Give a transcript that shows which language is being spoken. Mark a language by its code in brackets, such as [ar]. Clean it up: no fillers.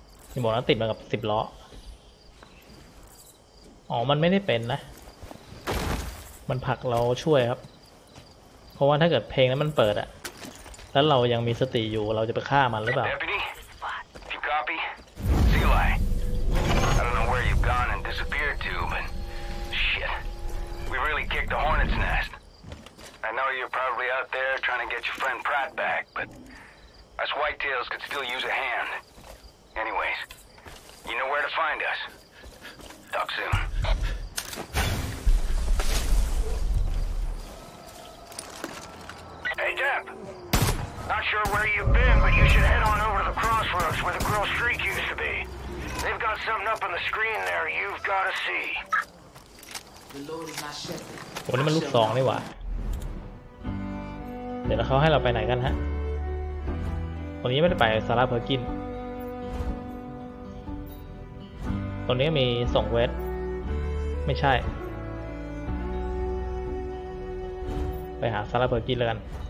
[th] ที่บอกนั้นติดมากับ10ล้ออ๋อมันไม่ได้เป็นนะมันผักเราช่วยครับเพราะว่าถ้าเกิดเพลงนั้นมันเปิดอะแล้วเรายังมีสติอยู่เราจะไปฆ่ามันหรือเปล่า เดี๋ยวไปนี่ [en] Copy See you later I don't know where you've gone and disappeared to but shit We really kicked the hornet's nest I know you're probably out there trying to get your friend Pratt back but us whitetails could still use a hand Anyways You know where to find us Talk soonHey, Depp. Not sure where you've been, but you should head on over to the crossroads where the Grill Streak used to be. They've got got something up on the screen there you've got to see. [th] โหนี่มันลูก2นี่หว่าเดี๋ยวเขาให้เราไปไหนกันฮะตรงนี้ไม่ได้ไปซาร่าเพอร์กินตรงนี้มี2เวทไม่ใช่ไปหาซาร่าเพอร์กินแล้วกัน